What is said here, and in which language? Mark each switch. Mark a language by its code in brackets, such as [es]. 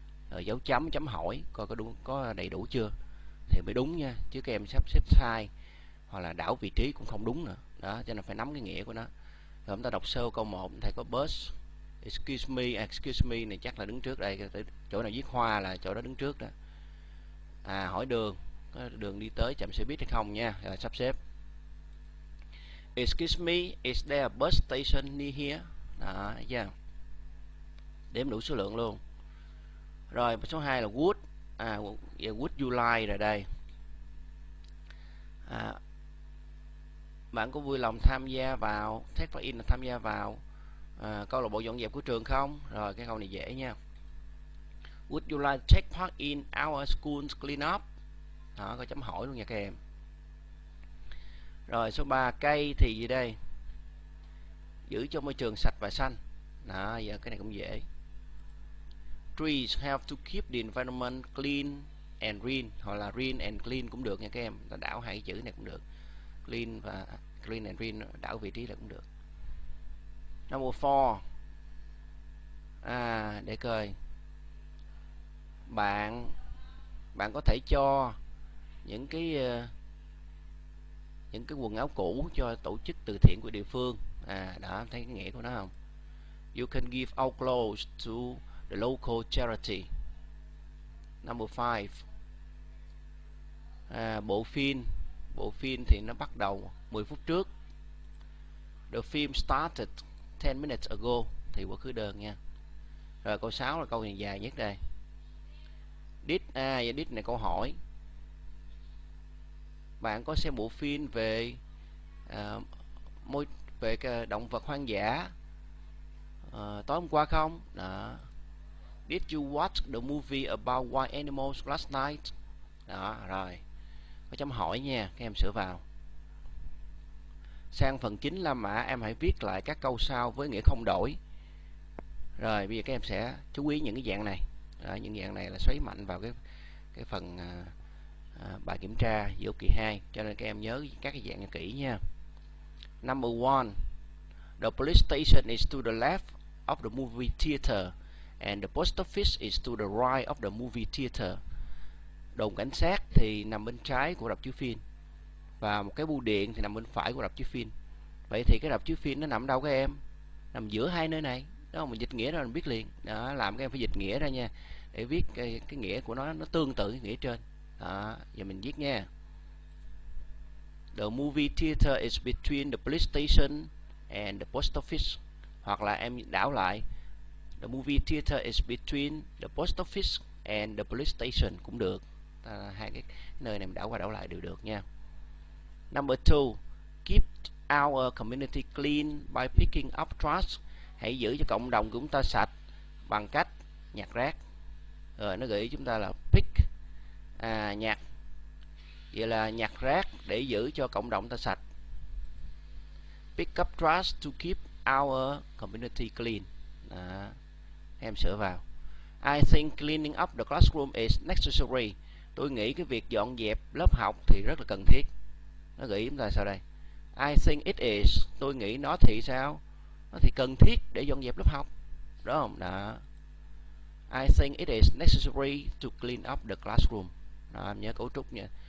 [vi] Rồi dấu chấm, chấm hỏi coi có đúng, có đầy đủ chưa thì mới đúng nha, chứ các em sắp xếp sai hoặc là đảo vị trí cũng không đúng nữa. Đó, cho nên phải nắm cái nghĩa của nó. Rồi chúng ta đọc sơ câu 1, thầy có bus. Excuse me này chắc là đứng trước đây, chỗ nào viết hoa là chỗ đó đứng trước đó. À, hỏi đường, có đường đi tới chậm xe buýt hay không nha. Rồi sắp xếp. [en] Excuse me, is there a bus station near here? [vi] Đó, yeah. Đếm đủ số lượng luôn. Rồi, số 2 là would. À, would you like rồi đây. À, bạn có vui lòng tham gia vào, take part in là tham gia vào câu lạc bộ dọn dẹp của trường không? Rồi cái câu này dễ nha. [en] Would you like to take part in our school clean up? [vi] Đó, có chấm hỏi luôn nha các em. Rồi số 3, cây thì gì đây? Giữ cho môi trường sạch và xanh. Đó, giờ cái này cũng dễ. [en] Trees have to keep the environment clean and green, [vi] hoặc là [en] green and clean [vi] cũng được nha các em. Ta đảo hai cái chữ này cũng được. Clean và [en] clean and green, [vi] đảo vị trí là cũng được. Number 4. À, để coi. Bạn có thể cho những cái quần áo cũ cho tổ chức từ thiện của địa phương. À, đó, thấy cái nghĩa của nó không? [en] You can give our clothes to the local charity. [vi] Number 5. À, bộ phim thì nó bắt đầu 10 phút trước. [en] The film started 10 minutes ago [vi] thì quá khứ đơn nha. Rồi câu 6 là câu này dài nhất đây. Did này câu hỏi. Bạn có xem bộ phim về về động vật hoang dã tối hôm qua không? Đó. [en] Did you watch the movie about wild animals last night? [vi] Đó, rồi. Có chấm hỏi nha, các em sửa vào. Sang phần 9 là mã em hãy viết lại các câu sau với nghĩa không đổi. Rồi bây giờ các em sẽ chú ý những cái dạng này. Rồi, những dạng này là xoáy mạnh vào cái phần bài kiểm tra vô kỳ 2. Cho nên các em nhớ các cái dạng này kỹ nha. [en] Number 1. The police station is to the left of the movie theater. And the post office is to the right of the movie theater. [vi] Đồn cảnh sát thì nằm bên trái của rạp chiếu phim. Và một cái bưu điện thì nằm bên phải của rạp chiếu phim. Vậy thì cái rạp chiếu phim nó nằm đâu các em? Nằm giữa hai nơi này. Đó, mình dịch nghĩa ra mình biết liền. Đó, làm các em phải dịch nghĩa ra nha. Để viết cái nghĩa của nó tương tự cái nghĩa trên. Đó, giờ mình viết nha. [en] The movie theater is between the police station and the post office. [vi] Hoặc là em đảo lại. [en] The movie theater is between the post office and the police station [vi] cũng được. Hai cái nơi này mình đảo qua đảo lại đều được nha. [en] Number 2. Keep our community clean by picking up trash. [vi] Hãy giữ cho cộng đồng của chúng ta sạch bằng cách nhặt rác. Rồi nó gợi ý chúng ta là pick, nhặt. Vậy là nhặt rác để giữ cho cộng đồng ta sạch. [en] Pick up trash to keep our community clean. [vi] Đó. Em sửa vào. [en] I think cleaning up the classroom is necessary. [vi] Tôi nghĩ cái việc dọn dẹp lớp học thì rất là cần thiết. Nó gợi ý chúng ta sao đây? [en] I think it is. [vi] Tôi nghĩ nó thì sao? Nó thì cần thiết để dọn dẹp lớp học. Đó không? Đó. [en] I think it is necessary to clean up the classroom. [vi] Đó, em nhớ cấu trúc nha.